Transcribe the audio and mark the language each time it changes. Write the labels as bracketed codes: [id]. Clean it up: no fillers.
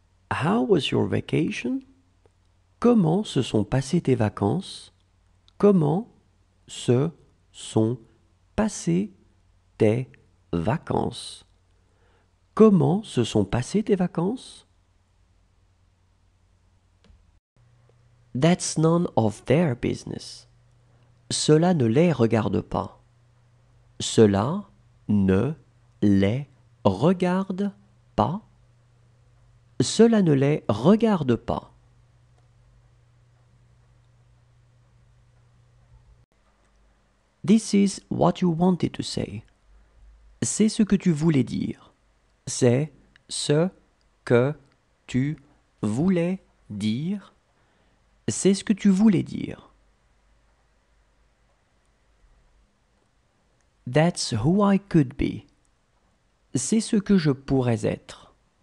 [en] How was your vacation? [fr] Comment se sont passées tes vacances? Comment se sont passées tes vacances? Comment se sont passées tes vacances? [en] That's none of their business. [fr] Cela ne les regarde pas. Cela ne les regarde pas. Cela ne les regarde pas. [en] This is what you wanted to say. [fr] C'est ce que tu voulais dire. C'est ce que tu voulais dire. C'est ce que tu voulais dire. [en] That's who I could be. [fr] C'est ce que je pourrais être.